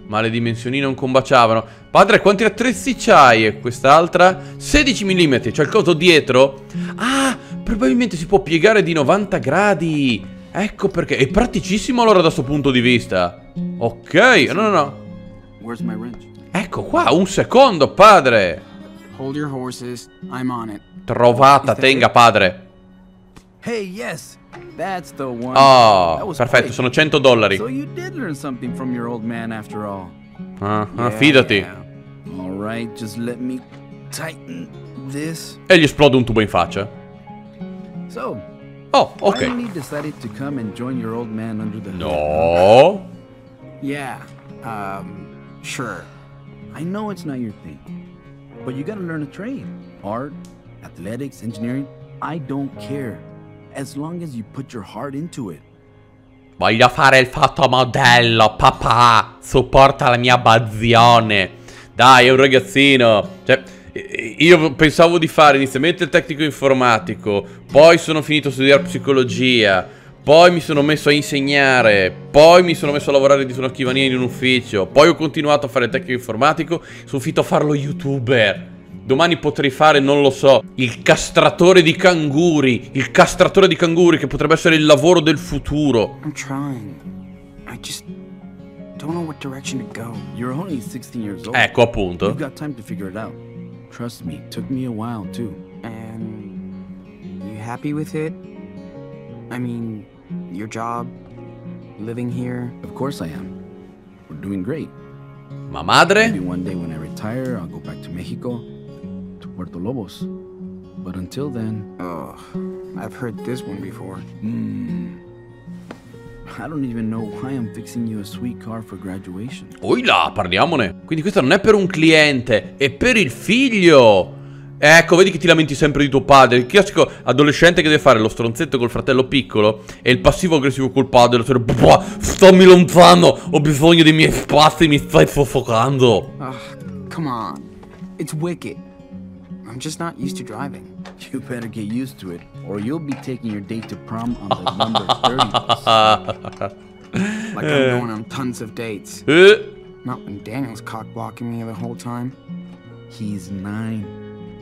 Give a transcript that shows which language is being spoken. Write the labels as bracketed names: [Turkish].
[Italian] Ma le dimensioni non combaciavano. Padre, quanti attrezzi c'hai? E quest'altra? 16 mm, c'è il coso dietro? Ah, probabilmente si può piegare di 90 gradi. Ecco perché... È praticissimo allora da suo punto di vista. Ok, no, no, no. [English] Where's my wrench? [Italian] Ecco qua, un secondo, padre. [English] Hold your horses, I'm on it. [Italian] Trovata, tenga, padre. [English] Hey, yes, that's the one. [Italian] Oh, perfetto, sono $100. [English] So you did learn something from your old man after all. [Italian] Fidati. [English] Yeah. All right, just let me tighten this. [Italian] E gli esplode un tubo in faccia. [English] So. Oh, ok. Why you decided to come and join your old man under the hood? No. Yeah, sure. I know it's not your thing, but you gotta learn a trade. Art, athletics, engineering, I don't care. As long as you put your heart into it. [Italian] Voglio fare il fotomodello, papà. Supporta la mia bazione. Dai, è un ragazzino. Cioè, Io pensavo di fare inizialmente il tecnico informatico, poi sono finito a studiare psicologia, poi mi sono messo a insegnare, poi mi sono messo a lavorare di una scrivania in un ufficio, poi ho continuato a fare il tecnico informatico, sono finito a farlo youtuber. Domani potrei fare, non lo so, il castratore di canguri. Il castratore di canguri, che potrebbe essere il lavoro del futuro. [English] I'm trying. I just don't know what direction to go. You're only 16 years old. [Italian] Ecco, appunto. [English] You've got time to figure it out. Trust me, took me a while too. And you happy with it? I mean, your job, living here? Of course I am. We're doing great. [Italian] Ma madre? [English] Maybe one day when I retire, I'll go back to Mexico. Puerto Lobos. But until then, I've heard this one before. I don't even know why I'm fixing you a sweet car for graduation. [Italian] Oila, parliamone. Quindi questo non è per un cliente, è per il figlio. Ecco, vedi che ti lamenti sempre di tuo padre. Il classico adolescente che deve fare lo stronzetto col fratello piccolo e il passivo aggressivo col padre. Stammi lontano, ho bisogno dei miei spazi, mi stai soffocando. [English] Come on, it's wicked. I'm just not used to driving. You better get used to it, or you'll be taking your date to prom on the number 30 bus. Like I'm going on tons of dates. Not when Daniel's cock-blocking me the whole time. He's 9.